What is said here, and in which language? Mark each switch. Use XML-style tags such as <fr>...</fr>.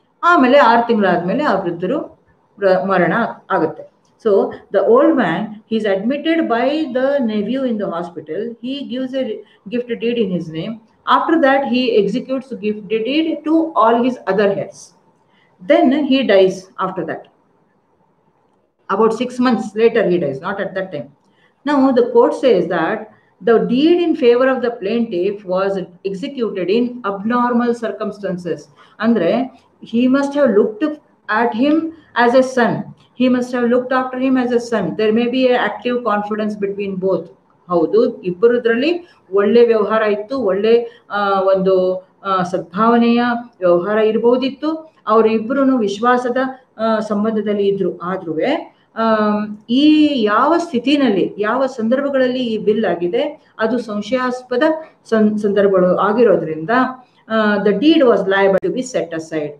<kn>ಆಮೇಲೆ 6 ತಿಂಗಳಾದ್ಮೇಲೆ ಆ ವೃದ್ಧರು ಮರಣ ಆಗುತ್ತೆ.</kn> <en>So the old man he's admitted by the nephew in the hospital. He gives a gift deed in his name. After that he executes gift deed to all his other heirs. Then he dies after that. About 6 months later, he dies, not at that time. Now, the court says that the deed in favor of the plaintiff was executed in abnormal circumstances. Andre, he must have looked at him as a son. He must have looked after him as a son. There may be an active confidence between both.</en> <kn>ಹೌದು, ಇಬ್ಬರದ್ರಲ್ಲಿ ಒಳ್ಳೆ ವ್ಯವಹಾರ ಇತ್ತು, ಒಳ್ಳೆ ಒಂದು ಸದ್ಭಾವನೆಯ ವ್ಯವಹಾರ ಇರಬಹುದಿತ್ತು, ಅವರಿಬ್ಬರೂ ವಿಶ್ವಾಸದ ಸಂಬಂಧದಲ್ಲಿ ಇದ್ರು. ಆದ್ರೂ ಈ ಯಾವ ಸ್ಥಿತಿನಲ್ಲಿ, ಯಾವ ಸಂದರ್ಭಗಳಲ್ಲಿ ಈ ಬಿಲ್ ಆಗಿದೆ, ಅದು ಸಂಶಯಾಸ್ಪದ ಸಂದರ್ಭಗಳು ಆಗಿರೋದ್ರಿಂದ</kn> <en>The deed was liable to be set aside.</en>